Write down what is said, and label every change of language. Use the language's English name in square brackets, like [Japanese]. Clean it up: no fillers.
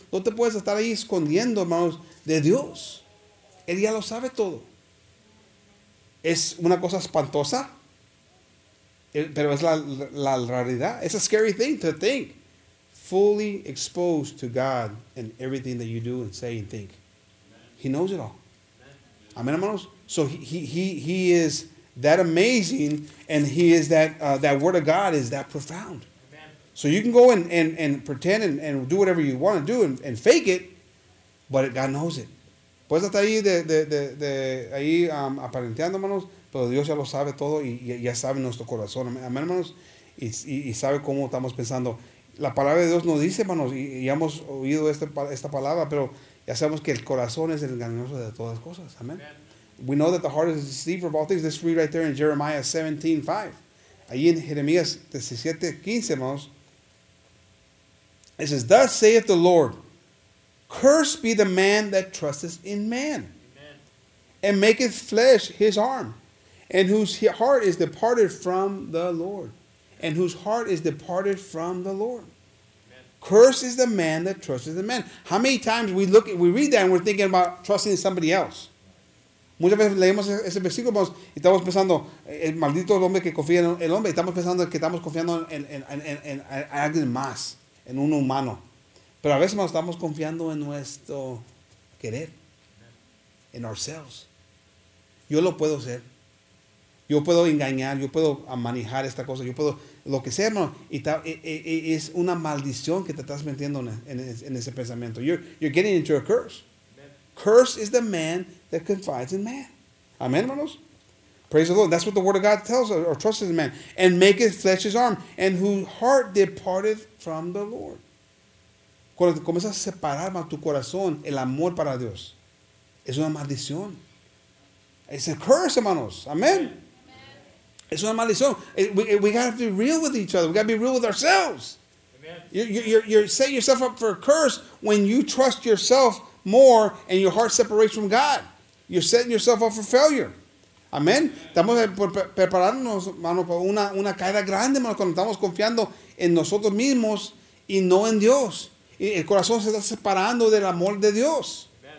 [Spanish] No te puedes estar ahí escondiendo, hermanos, de Dios. Él ya lo sabe todo. Es una cosa espantosa, pero es la realidad. [English] It's a scary thing to think. Fully exposed to God in everything that you do and say and think. He knows it all. Amen, hermanos. So he is that amazing, and he is that that word of God is that profound. So you can go and pretend and do whatever you want to do and fake it, but God knows it. [Spanish] Puedes estar ahí de ahí aparentando, hermanos, pero Dios ya lo sabe todo y ya sabe nuestro corazón. Amén, hermanos, y sabe cómo estamos pensando. La palabra de Dios nos dice, hermanos, y hemos oído esta palabra, pero ya sabemos que el corazón es el engañoso de todas las cosas. Amén. [English] We know that the heart is deceitful of all things. Let's read right there in Jeremiah 17:5. [Spanish] Ahí en Jeremías 17:15, hermanos, [English] it says, thus saith the Lord, cursed be the man that trusteth in man, and maketh flesh his arm, and whose heart is departed from the Lord. And whose heart is departed from the Lord. Amen. Cursed is the man that trusteth in man. How many times we read that and we're thinking about trusting somebody else? [Spanish] Muchas veces leemos ese versículo y estamos pensando, el maldito hombre que confía en el hombre. Estamos pensando que estamos confiando en alguien más. En un humano. Pero a veces nos estamos confiando en nuestro querer. En [English] ourselves. [Spanish] Yo lo puedo hacer. Yo puedo engañar. Yo puedo manejar esta cosa. Yo puedo lo que sea. Es una maldición que te estás metiendo en ese pensamiento. [English] You're getting into a curse. Curse is the man that confides in man. Amen, hermanos. Praise the Lord. That's what the word of God tells us, or trusts in man. And maketh flesh his arm. And whose heart departeth from the Lord. [Spanish] Cuando te comienzas a separar más tu corazón, el amor para Dios, es una maldición. [English] It's a curse, hermanos. Amen. Amen. [Spanish] Es una maldición. [English] We got to be real with each other. We got to be real with ourselves. You set yourself up for a curse when you trust yourself more and your heart separates from God. You're setting yourself up for failure. Amén. [Spanish] Estamos preparándonos, hermano, para una caída grande, hermano, cuando estamos confiando en nosotros mismos y no en Dios. Y el corazón se está separando del amor de Dios.